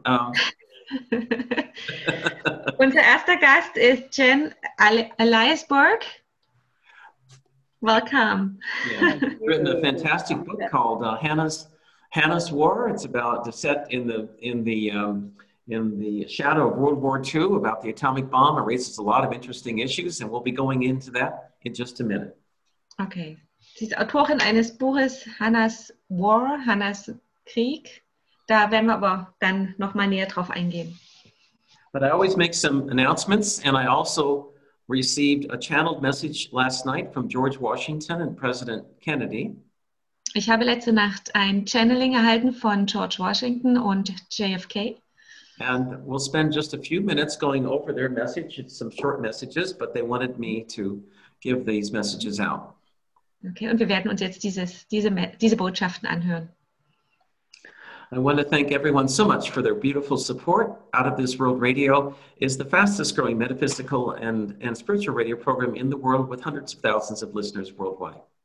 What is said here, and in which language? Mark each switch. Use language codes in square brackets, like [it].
[de] Unser erster Gast ist Jan Eliasberg. Welcome. [en] Yeah, written a fantastic book called Hannah's War. It's about set in the in the shadow of World War II about the atomic bomb. It raises a lot of interesting issues, and we'll be going into that in just a minute. Okay. [de] Sie ist Autorin eines Buches, Hannah's War, Hannah's Krieg. Da werden wir aber dann noch mal näher drauf eingehen. [en] But I always make some announcements, and I also received a channeled message last night from George Washington and President Kennedy. [de] Ich habe letzte Nacht ein Channeling erhalten von George Washington und JFK. [en] And we'll spend just a few minutes going over their message. It's some short messages, but they wanted me to give these messages out. [de] Okay, und wir werden uns jetzt diese Botschaften anhören. [en] I want to thank everyone so much for their beautiful support. Out of This World Radio is the fastest growing metaphysical and spiritual radio program in the world with hundreds of thousands of listeners worldwide.